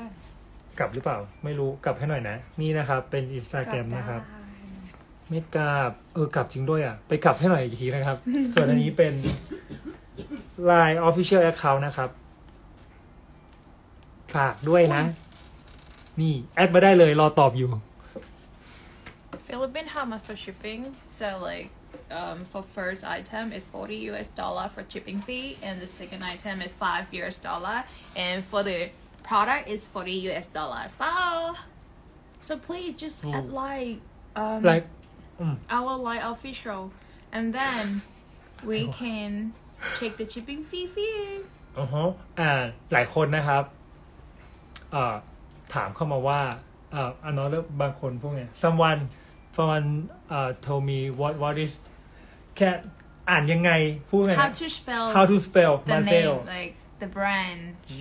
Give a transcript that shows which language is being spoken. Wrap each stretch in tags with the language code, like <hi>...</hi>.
<th>กลับหรือเปล่าไม่รู้กลับให้หน่อยนะนี่นะครับเป็น Instagram นะครับไม่กลับกลับจริงด้วยอ่ะไปกลับให้หน่อยอีกทีนะครับ ส่วนอันนี้เป็น LINE Official Account นะครับฝากด้วยนะ นี่แอดมาได้เลยรอตอบอยู่</th> <en>Philippine how much for shipping so like for first item it's 40 US dollar for shipping fee and the second item is 5 US dollar and for the product is 40 US dollar as well so please just add like Our line official, and then we can check the shipping fee for you.</en> <th>หลายคนนะครับถามเข้ามาว่าanotherบางคนพวกเนี้ย</th> <en>someone told me what is</en> <th>แค่อ่านยังไงพูดไง</th> <en>how to spell my name like the brand, the</en>